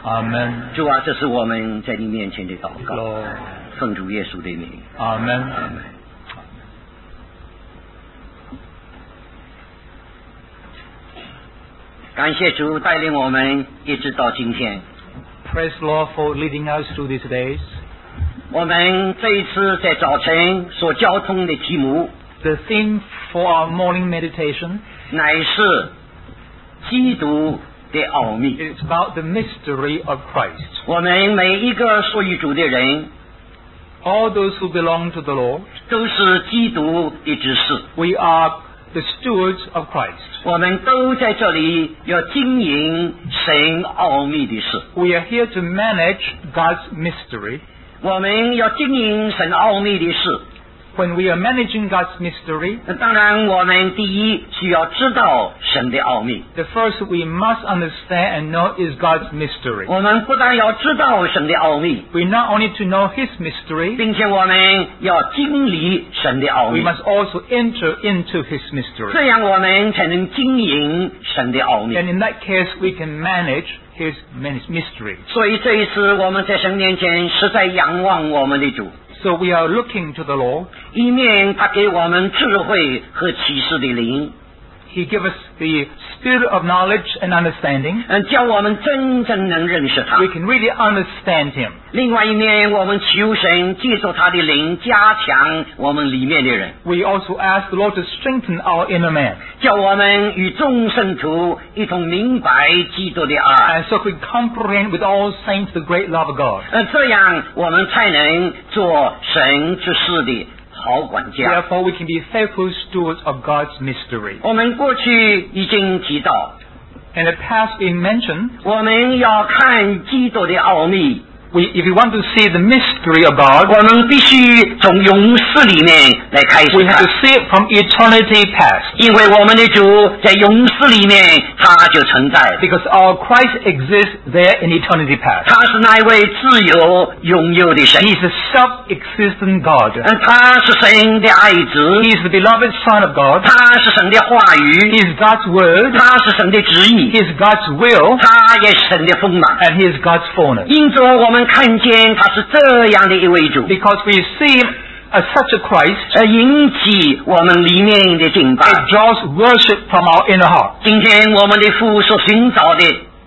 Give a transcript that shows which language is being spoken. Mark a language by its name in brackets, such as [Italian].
[English] Amen. [Chinese] 主啊，这是我们在你面前的祷告。 [English] Lord. [Chinese] 奉主耶稣的名。 [English] Amen. Amen. [Chinese] 感谢主带领我们一直到今天。 [English] Praise the Lord for leading us through these days. [Chinese] 我们这一次在早晨所交通的题目 [English] The theme for our morning meditation [Chinese] 乃是基督的奥秘。 [English] It's about the mystery of Christ. [Chinese] 我们每一个属于主的人 [English] All those who belong to the Lord [Chinese] 都是基督的执事。 [English] We areThe stewards of Christ. [Chinese] 我们都在这里要经营神奥秘的事。 [English] We are here to manage God's mystery. [Chinese] 我们要经营神奥秘的事。 [English] When we are managing God's mystery, [Chinese] 当然我们第一需要知道神的奥秘。 [English] The first we must understand and know is God's mystery. [Chinese] 我们不但要知道神的奥秘。 [English] We not only to know His mystery, [Chinese] 并且我们要经历神的奥秘。 [English] We must also enter into His mystery. [Chinese] 这样我们才能经营神的奥秘。 [English] And in that case, we can manage His mystery. [Chinese] 所以这一次我们在神面前实在仰望我们的主。 [English] So we are looking to the Lord. [Chinese] 一面他给我们智慧和启示的灵。 [English] He gives us the spirit of knowledge and understanding. [Chinese] 叫我们真正能认识他。 [English] We can really understand him. [Chinese] 另外一面我们求神借助他的灵加强我们里面的人。 [English] We also ask the Lord to strengthen our inner man. [Chinese] 叫我们与众圣徒一同明白基督的爱。 [English] And so we comprehend with all saints the great love of God. [Chinese] 这样我们才能做神之事的。 [English] Therefore, we can be faithful stewards of God's mystery. [Chinese] 我们过去已经提到 [English] In the past, we mentioned, [Chinese] 我们要看基督的奥秘 [English] If you want to see the mystery of God, [Chinese] 我们必须从永世里面来开始看 [English] We have to see it from eternity past. [Chinese] 因为我们的主在永世里面他就存在 [English] Because our Christ exists there in eternity past. [Chinese] 他是那位自由拥有的神 [English] He is a self-existent God. [Chinese] 他是神的爱子 [English] He is the beloved Son of God. [Chinese] 他是神的话语 [English] He is God's word. [Chinese] 他是神的旨意 [English] He is God's will. [Chinese] 他也是神的丰满 [English] And He is God's fullness. [Chinese] 因着我们看见他是这样的一位主 [English] Because we see Him as such a Christ. [Chinese] 引起我们里面的敬拜 [English] It draws worship from our inner heart. [Chinese] 今天我们的父所寻找的